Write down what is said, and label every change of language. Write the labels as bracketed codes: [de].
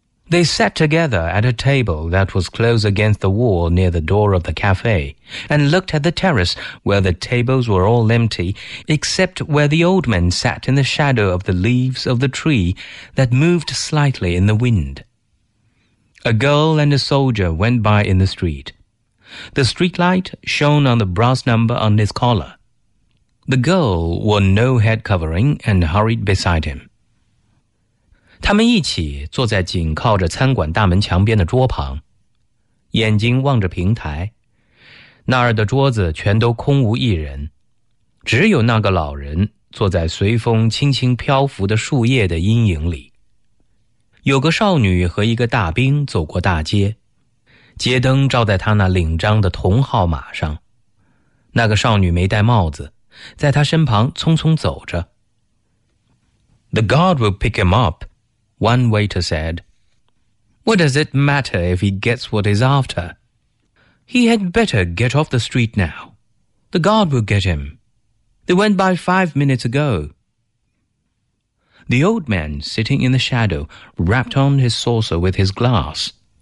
[en] They sat together at a table that was close against the wall near the door of the cafe, and looked at the terrace where the tables were all empty, except where the old man sat in the shadow of the leaves of the tree that moved slightly in the wind. A girl and a soldier went by in the street. The streetlight shone on the brass number on his collar. The girl wore no head covering and hurried beside him. [zh] 他们一起坐在紧靠着餐馆大门墙边的桌旁，眼睛望着平台，那儿的桌子全都空无一人，只有那个老人坐在随风轻轻漂浮的树叶的阴影里。有个少女和一个大兵走过大街，街灯照在他那领章的铜号码上，那个少女没戴帽子，在他身旁匆匆走着。 [en] The guard will pick him upOne waiter said, What does it matter if he gets what he's after? He had better get off the street now. The guard will get him. They went by 5 minutes ago. The old man, sitting in the shadow, rapped on his saucer with his glass.